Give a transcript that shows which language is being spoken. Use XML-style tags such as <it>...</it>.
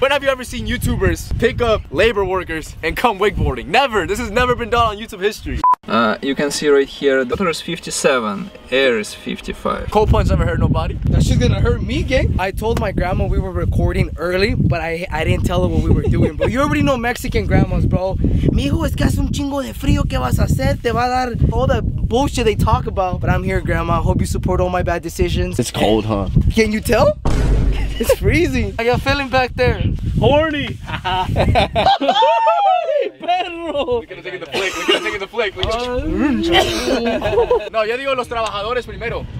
<en>When have you ever seen YouTubers pick up labor workers and come wakeboarding? Never. This has never been done on YouTube history. You can see right here, daughter is 57, heir is 55. Cold punch never hurt nobody. That shit's gonna hurt me, gang. I told my grandma we were recording early, but I didn't tell her what we were doing. But you already know Mexican grandmas, bro.</en> <es>Mijo, es que hace un chingo de frío, ¿qué vas a hacer? Te va a dar</es> <en>all the bullshit they talk about. But I'm here, grandma. Hope you support all my bad decisions. It's cold, huh? Can you tell? It's freezing. I got feeling back there. Horny. We're gonna take it the flick,</en> <es>No, yo digo los trabajadores primero.</es>